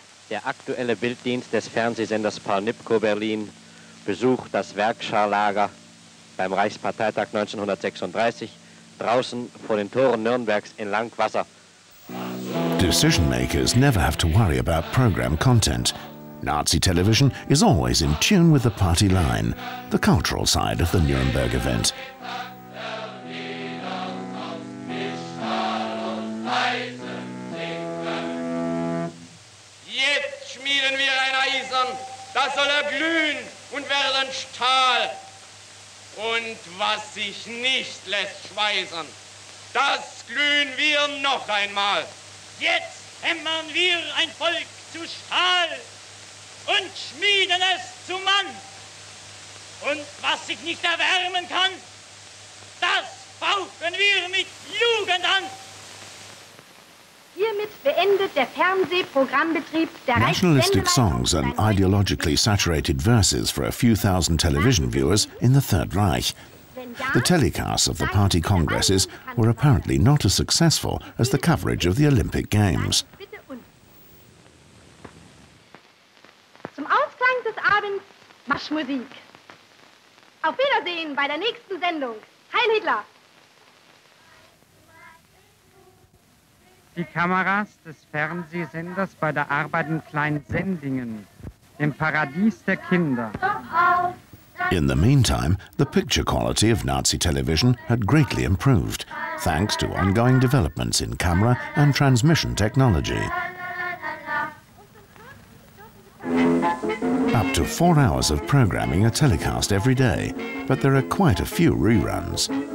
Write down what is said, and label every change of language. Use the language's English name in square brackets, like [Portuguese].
[German] Der aktuelle Bilddienst des Fernsehsenders Paul Nipkow Berlin besucht das Werkscharlager beim Reichsparteitag 1936 draußen vor den Toren Nürnbergs in Langwasser. [English] Decision makers never have to worry about program content. Nazi television is always in tune with the party line, the cultural side of the Nuremberg event. [German] Jetzt schmieden wir ein Eisen, das soll erglühen und werden Stahl. Und was sich nicht lässt schweißen, das glühen wir noch einmal. Jetzt hämmern wir ein Volk zu Stahl und schmieden es zum Mann. Und was sich nicht erwärmen kann, das fauchen wir mit Jugend an. Hiermit beendet der Fernsehprogrammbetrieb der [English] Nationalistic songs and ideologically saturated verses for a few thousand television viewers in the Third Reich. The telecasts of the party congresses were apparently not as successful as the coverage of the Olympic Games. [German] Zum Ausklang des Abends Marschmusik. Auf Wiedersehen bei der nächsten Sendung. Heil Hitler! Die Kameras des Fernsehsenders bei der Arbeit in Kleinsendingen, dem Paradies der Kinder. [English] In the meantime, the picture quality of Nazi television had greatly improved, thanks to ongoing developments in camera and transmission technology. Up to 4 hours of programming are telecast every day, but there are quite a few reruns.